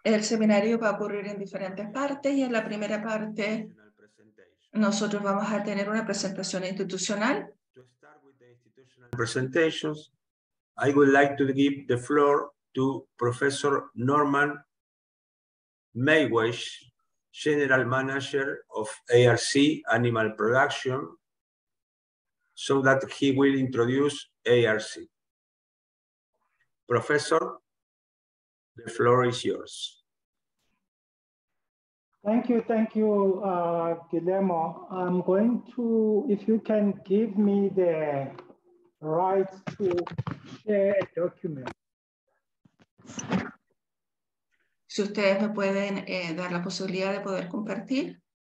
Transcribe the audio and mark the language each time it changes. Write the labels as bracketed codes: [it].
[es] el seminario va a ocurrir en diferentes partes, y en la primera parte nosotros vamos a tener una presentación institucional. [en] To start with the institutional presentations, I would like to give the floor to Professor Norman Maywash, General Manager of ARC Animal Production, so that he will introduce ARC. Professor, the floor is yours. Thank you, Guillermo. I'm going to, if you can give me the right to share a document. [es] Si ustedes me pueden dar la posibilidad de poder compartir.